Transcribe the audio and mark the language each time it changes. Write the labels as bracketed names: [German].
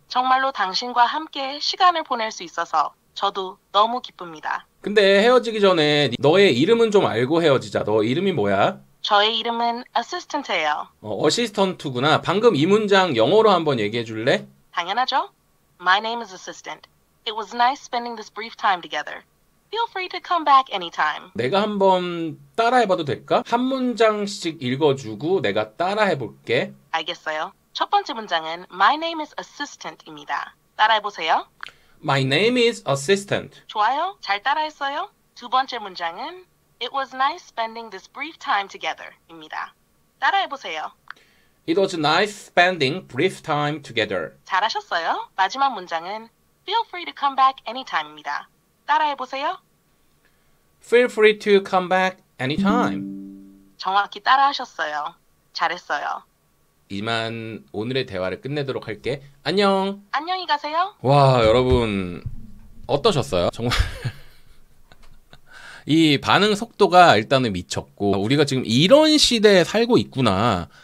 [Korean] 정말로 당신과 함께 시간을 보낼 수 있어서 저도 너무 기쁩니다. 근데 헤어지기 전에 너의 이름은 좀 알고 헤어지자. 너 이름이 뭐야? 저의 이름은 어시스턴트예요. 어시스턴트구나. 방금 이 문장 영어로 한번 얘기해 줄래? 당연하죠. [English] My name is assistant. It was nice spending this brief time together. Feel free to come back anytime. [Korean] 내가 한번 따라해봐도 될까? 한 문장씩 읽어주고 내가 따라해볼게. 알겠어요. 첫 번째 문장은 [English] My name is assistant입니다. [Korean] 따라해보세요. [English] My name is assistant. [Korean] 좋아요. 잘 따라했어요. 두 번째 문장은 [English] It was nice spending this brief time together [Korean] 입니다. 따라해보세요. [English] It was nice spending brief time together. [Korean] 잘하셨어요. 마지막 문장은 [English] Feel free to come back anytime [Korean] 입니다. 따라해보세요. [English] Feel free to come back anytime. [Korean] 정확히 따라하셨어요. 잘했어요. 이만 오늘의 대화를 끝내도록 할게. 안녕. 안녕히 가세요. 와, 여러분 어떠셨어요? 정말 이 반응 속도가 일단은 미쳤고 우리가 지금 이런 시대에 살고 있구나.